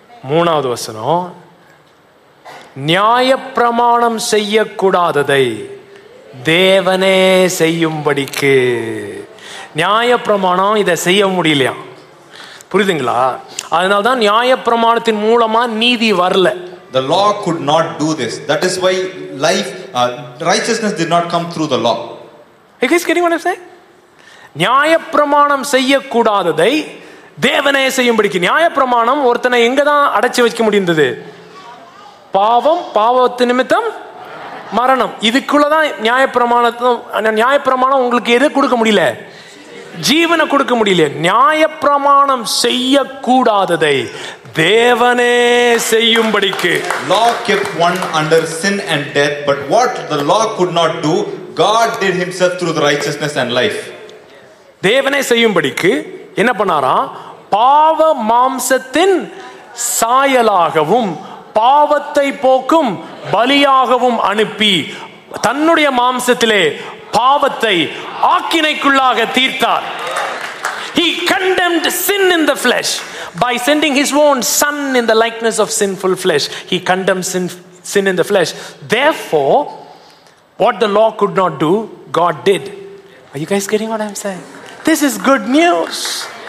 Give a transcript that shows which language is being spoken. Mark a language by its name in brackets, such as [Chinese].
[Tamil] மூணாவது வசனம், நியாயப்பிரமாணம் செய்யக்கூடாததை தேவனே செய்யும்படிக்கு. நியாயப்பிரமாணம் இதை செய்ய முடியலையா? புரியுதுங்களா? அதனால்தான் நியாயப்பிரமாணத்தின் மூலமா நீதி வரல. [English] The law could not do this. That is why life, righteousness did not come through the law. Are you guys getting what I'm saying? [Tamil] நியாயப்பிரமாணம் செய்யக்கூடாததை தேவனே செய்யும்படிக்கு. நியாயப்பிரமாணம் ஒருத்தனை எங்கதான் அடைச்சு வைக்க முடிந்தது? பாவம், பாவத்து நிமித்தம் மரணம். இதுக்குள்ளதான் நியாயப்பிரமாணத்தை. நியாயப்பிரமாணம் உங்களுக்கு எதை கொடுக்க முடியல? ஜீவனை கொடுக்க முடியல. நியாயப்பிரமாணம் செய்யக்கூடாததை தேவனே செய்யும்படிக்கு. [English] Law kept one under sin and death, but what the law could not do, God did himself through the righteousness and life. [Tamil] தேவனே செய்யும்படிக்கு என்ன பண்ணாரா? பாவ மாம்சத்தின் சாயலாகவும் பாவத்தை போக்கும் பலியாகவும் அனுப்பி தன்னுடைய மாம்சத்திலே பாவத்தை ஆக்கினைக்குள்ளாக தீர்த்தார். [English] He condemned sin in the flesh by sending his own son in the likeness of sinful flesh. He condemned sin in the flesh. Therefore, what the law could not do, God did. Are you guys getting what I'm saying? This is good news.